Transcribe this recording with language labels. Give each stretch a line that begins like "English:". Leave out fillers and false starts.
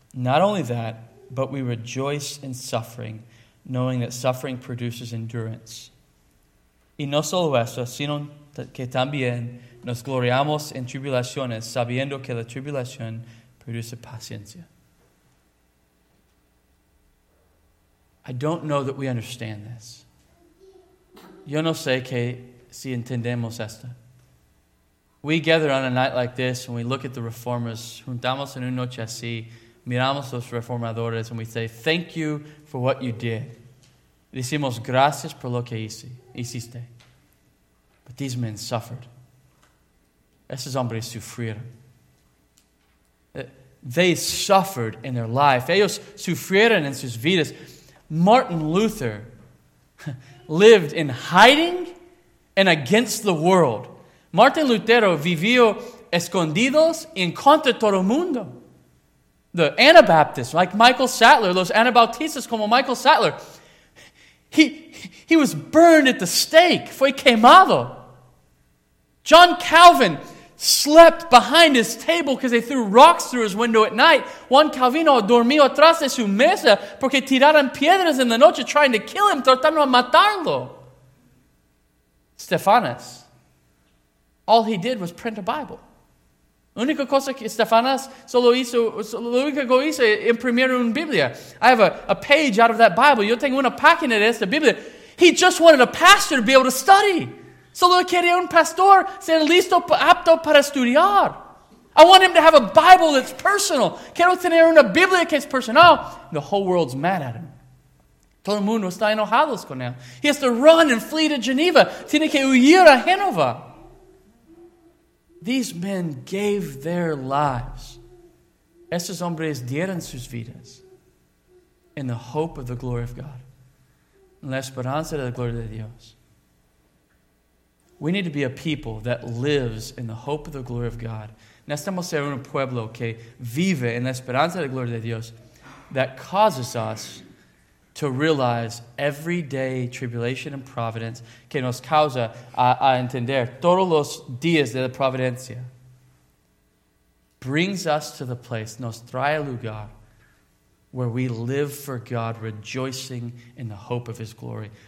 English: Not only that, but we rejoice in suffering, knowing that suffering produces endurance.
Spanish: Y no solo eso, sino que también nos gloriamos en tribulaciones, sabiendo que la tribulación produce paciencia.
English: I don't know that we understand this.
Spanish: Yo no sé que si entendemos esto.
English: We gather on a night like this and we look at the reformers,
Spanish: juntamos en una noche así, miramos los reformadores
English: and we say, thank you for what you did.
Spanish: Decimos gracias por lo que hiciste.
English: But these men suffered.
Spanish: Esos hombres sufrieron.
English: They suffered in their life.
Spanish: Ellos sufrieron en sus vidas.
English: Martin Luther lived in hiding and against the world.
Spanish: Martin Lutero vivió escondidos y en contra todo el mundo.
English: The Anabaptists, like Michael Sattler,
Spanish: los Anabautistas como Michael Sattler.
English: He was burned at the stake.
Spanish: Fue quemado.
English: John Calvin slept behind his table because they threw rocks through his window at night.
Spanish: Juan Calvino dormió atrás de su mesa porque tiraron piedras en la noche
English: trying to kill him,
Spanish: tratando de matarlo. Stefanas. All he did was print a Bible. Única cosa que Stefanas solo hizo, lo único que hizo es imprimir una Biblia.
English: I have a page out of that Bible.
Spanish: Yo tengo una página de esta Biblia.
English: He just wanted a pastor to be able to study.
Spanish: Solo quería un pastor ser listo, apto para estudiar.
English: I want him to have a Bible that's personal.
Spanish: Quiero tener una Biblia que es personal.
English: The whole world's mad at him.
Spanish: Todo el mundo está enojado con él.
English: He has to run and flee to Geneva.
Spanish: Tiene que huir a Génova.
English: These men gave their lives.
Spanish: Esos hombres dieron sus vidas
English: in the hope of the glory of God.
Spanish: En la esperanza de la gloria de Dios.
English: We need to be a people that lives in the hope of the glory of God.
Spanish: Necesitamos ser un pueblo que vive en la esperanza de la gloria de Dios
English: that causes us to realize everyday tribulation and providence
Spanish: que nos causa a entender todos los días de la providencia
English: brings us to the place,
Spanish: nos trae al lugar,
English: where we live for God, rejoicing in the hope of His glory.